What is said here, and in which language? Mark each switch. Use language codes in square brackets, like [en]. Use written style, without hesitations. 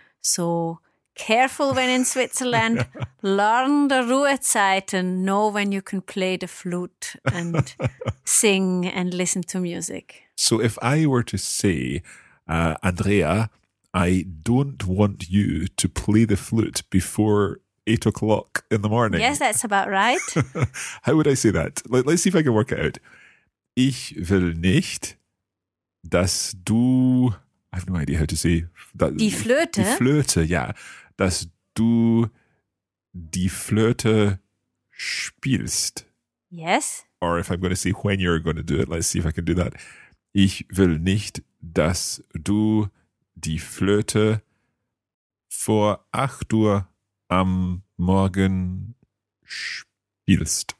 [en] So careful when in Switzerland, learn the Ruhezeiten, know when you can play the flute and sing and listen to music. So if I were to say, Andrea, I don't want you to play the flute before 8 o'clock in the morning. Yes, that's about right. How would I say that? Let's see if I can work it out. [de] Ich will nicht, dass du, [en] I have no idea how to say that. [de] Die Flöte. Die Flöte, yeah. Dass du die Flöte spielst. [en] Yes. Or if I'm going to say when you're going to do it, let's see if I can do that. [de] Ich will nicht, dass du die Flöte vor 8 Uhr am Morgen spielst.